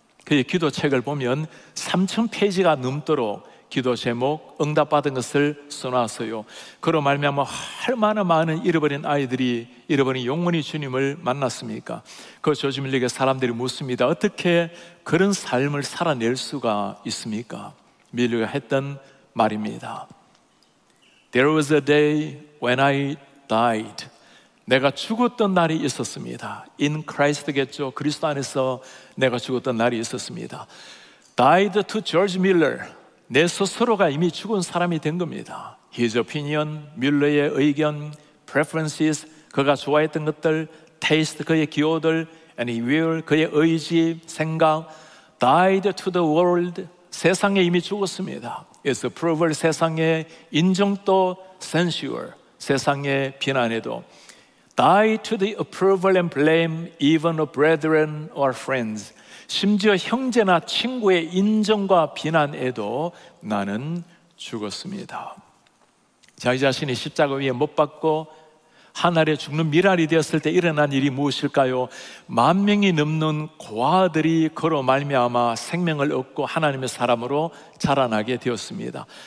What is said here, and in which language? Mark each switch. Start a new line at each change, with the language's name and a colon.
Korean: 그의 기도책을 보면 3천 페이지가 넘도록 기도 제목, 응답받은 것을 써놨어요. 그로 말미암아 얼마나 많은 잃어버린 아이들이, 잃어버린 영혼이 주님을 만났습니까? 그 조지 밀러에게 사람들이 묻습니다. 어떻게 그런 삶을 살아낼 수가 있습니까? 밀러가 했던 말입니다.
English: There was a day when I died.
Korean: 내가 죽었던 날이 있었습니다.
English: In Christ
Korean: 겠죠. 그리스도 안에서 내가 죽었던 날이 있었습니다.
English: Died to George Miller.
Korean: 내 스스로가 이미 죽은 사람이 된 겁니다.
English: His opinion,
Korean: 뮬러의 의견,
English: preferences,
Korean: 그가 좋아했던 것들,
English: taste,
Korean: 그의 기호들,
English: and he will,
Korean: 그의 의지, 생각,
English: died to the world,
Korean: 세상에 이미 죽었습니다.
English: It's approval,
Korean: 세상의 인정도,
English: censure,
Korean: 세상의 비난에도.
English: Died to the approval and blame, even of brethren or friends.
Korean: 심지어 형제나 친구의 인정과 비난에도 나는 죽었습니다. 자기 자신이 십자가 위에 못 박고 하늘에 죽는 미랄이 되었을 때 일어난 일이 무엇일까요? 만 명이 넘는 고아들이 그로 말미암아 생명을 얻고 하나님의 사람으로 자라나게 되었습니다.